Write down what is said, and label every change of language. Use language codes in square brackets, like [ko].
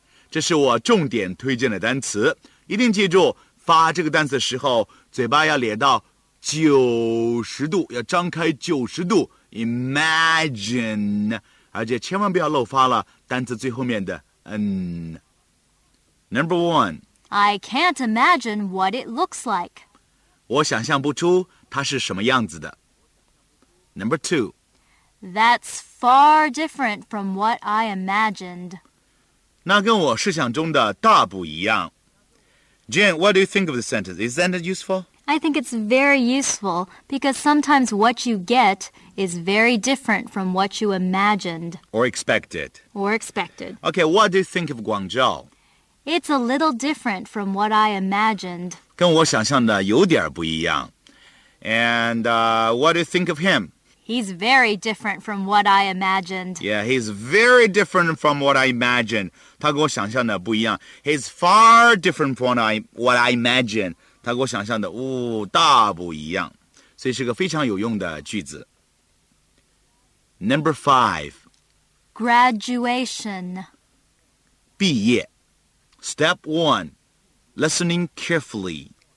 [zh] 这是我重点推荐的单词，一定记住，发这个单词的时候，嘴巴要咧到90度，要张开90度。 [en] Imagine. [zh] 而且千万不要漏发了单词最后面的 n. [en] Number one. I can't imagine what it looks like. [zh] 我想象不出它是什么样子的。 [en] Number two. That's far different from what I imagined. [zh] 那跟我设想中的大不一样。 [en] Jane, what do you think of the sentence? Is the sentence useful? I think it's very useful because sometimes what you get is very different from what you imagined. Or expected. Okay, what do you think of Guangzhou? It's a little different from what I imagined. [zh] 跟我想象的有点不一样。 [en] And what do you think of him? He's very different from what I imagined. Yeah, he's very different from what I imagined. [zh] 他跟我想象的不一样。 [en] He's far different from what I imagined. [zh] 他跟我想象的，哦，大不一样，所以是个非常有用的句子。 [en] Number five. Graduation. [zh] 毕业。 [en] Step one. Listening carefully.